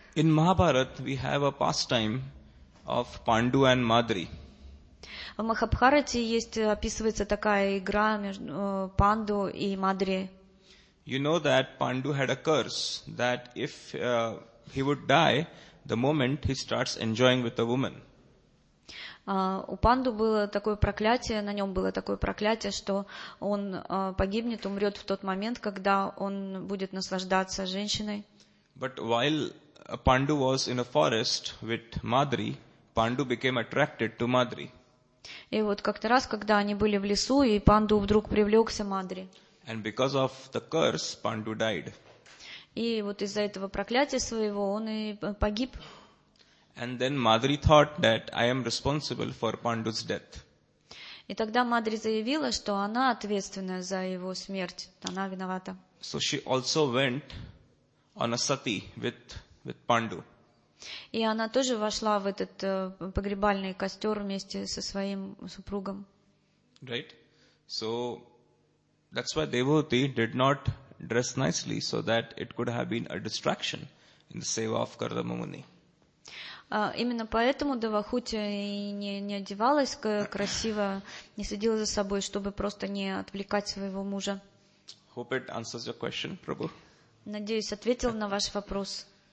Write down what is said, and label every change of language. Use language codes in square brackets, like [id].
[en] In Mahabharat we have a pastime of Pandu and Madri. [ru] В Махабхарате есть описывается такая игра между Панду и Мадри. [en] You know that Pandu had a curse that if he would die the moment he starts enjoying with a woman. [ru] У Панду было такое проклятие, на нем было такое проклятие, что он погибнет, умрет в тот момент, когда он будет наслаждаться женщиной. [en] But while Pandu was in a forest with Madri, Pandu became attracted to Madri. [ru] И вот как-то раз, когда они были в лесу, и Панду вдруг привлекся Мадри. [en] And because of the curse, Pandu died. [ru] И вот из-за этого проклятия своего он и погиб. [en] And then Madri thought that I am responsible for Pandu's death. [ru] И тогда Мадри заявила, что она ответственна за его смерть, она виновата. [en] So she also went on a sati with Pandu. [ru] И она тоже вошла в этот погребальный костер вместе со своим супругом. [en] Right? So that's why Devahuti did not dress nicely so that it could have been a distraction in the seva of Kardama Muni. [ru] Именно поэтому Девахути не одевалась красиво, не следила за собой, чтобы просто не отвлекать своего мужа. [en] Hope it answers your question, Prabhu. [ru] Надеюсь, ответил на ваш вопрос.